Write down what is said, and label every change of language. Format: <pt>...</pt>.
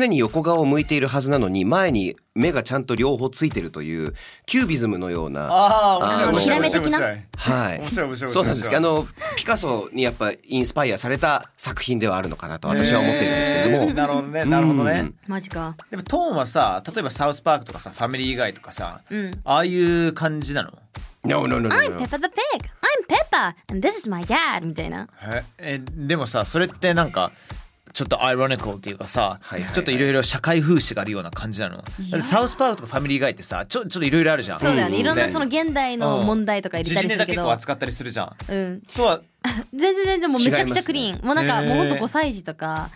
<ja>常に横顔を向いているはずなのに、前に目がちゃんと両方ついてるというキュービズムのような、ああ面白い面白い面白い、はい、面白い面白い、そうなんですけど、ピカソにやっぱインスパイアされた作品ではあるのかなと私は思ってるんですけども、なるほどね、なるほどね、マジか、でもトーンはさ、例えばサウスパークとかさ、ファミリー以外とかさ、うん、ああいう感じなの、</ja> <en>No no no, no, no. I'm Peppa the pig, I'm Peppa and this is my dad みたいな、</en> <ja>でもさ、それってなんかちょっとアイロニカルっていうかさ、はいはいはい、ちょっといろいろ社会風刺があるような感じなの、サウスパークとかファミリーガイってさ、ちょっといろいろあるじゃん、そうだね、いろんなその現代の問題とか入れたりするけど、時事ネタ結構扱ったりするじゃん、うん、とは全然全然もうめちゃくちゃクリーン、ね、もうなんかもうほんと5歳児とか、</ja>